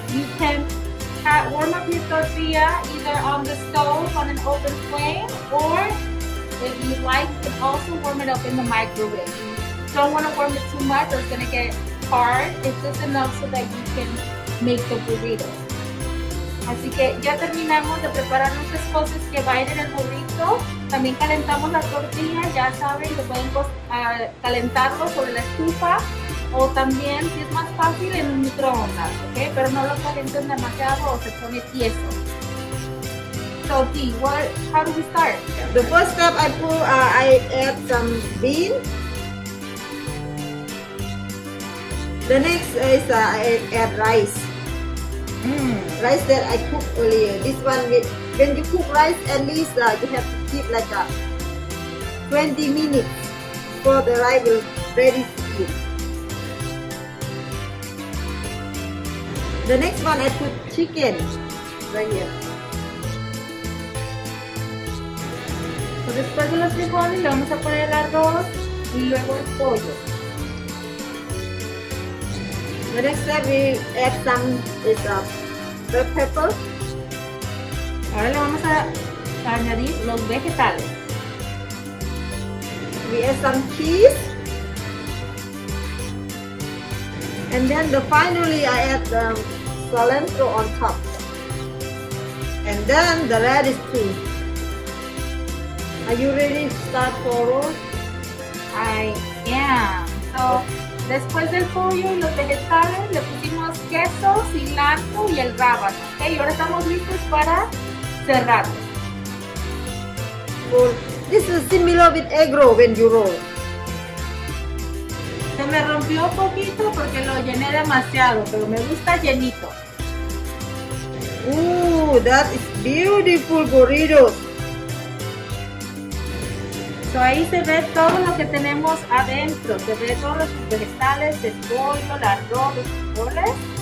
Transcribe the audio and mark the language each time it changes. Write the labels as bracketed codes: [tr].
[en] You can warm up your tortilla either on the stove on an open flame, or if you like, you can also warm it up in the microwave. You don't want to warm it too much, or it's going to get hard. It's just enough so that you can make the burrito. [es] Así que ya terminamos de preparar nuestras cosas que va a ir en el burrito. También calentamos la tortilla, ya saben, lo pueden calentarlo sobre la estufa o también, si es más fácil, en un microondas, ¿ok? Pero no lo calienten demasiado o se pone tieso. [en] So, T, how do we start? The first step I add some bean. The next is I add rice. Rice that I cooked earlier. This one, when you cook rice, at least you have to keep like 20 minutes for the rice will ready to eat. The next one, I put chicken right here. [es] So después de los frijoles, le vamos a poner el arroz y luego el pollo. [en] The next step, we add some red pepper. [es] Ahora le vamos a añadir los vegetales. [en] We add some cheese. And then finally I add the cilantro on top. And then the radish too. Are you ready to start pollo? I am. [es] So después del pollo y los vegetales, le pusimos queso, cilantro y el rábano. Ok, y ahora estamos listos para cerrar. [en] This is similar with egg roll when you roll. [es] Se me rompió poquito porque lo llené demasiado, pero me gusta llenito. [en] That is beautiful burrito. [es] So ahí se ve todo lo que tenemos adentro, se ve todos los vegetales, el pollo, el arroz, los frijoles.